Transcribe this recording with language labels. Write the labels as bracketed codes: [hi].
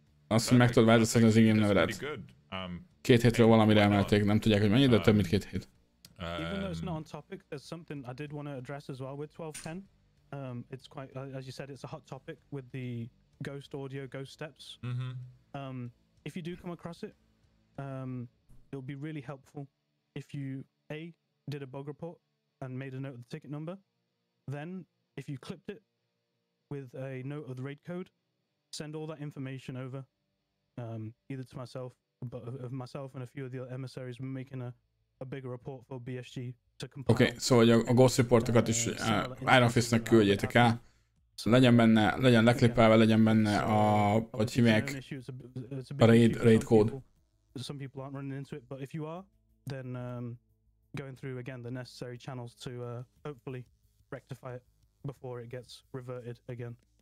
[hu] Azt hiszem, meg tudod változtatni az igénynevedet. Két hétről valamire emelték, nem tudják, hogy mennyi, de több mint két hét. [en] Even though it's not on topic, there's something I did want to address as well with 1210. It's quite, as you said, it's a hot topic with the ghost audio, ghost steps. Mm-hmm. If you do come across it, it'll be really helpful if you, A, did a bug report and made a note of the ticket number. Then, if you clipped it with a note of the raid code, send all that information over, either to myself, but of myself and a few of the other emissaries, we're making a bigger report for BSG to compile. Okay, so [hu] a ghost reportokat is IronFistsnek küldjétek el. Legyen benne, legyen leklipelve, legyen benne a, hogy hívják, a raid kód. [en] Some people aren't running into it, but if you are, then going through again the necessary channels to hopefully rectify it before it gets reverted again.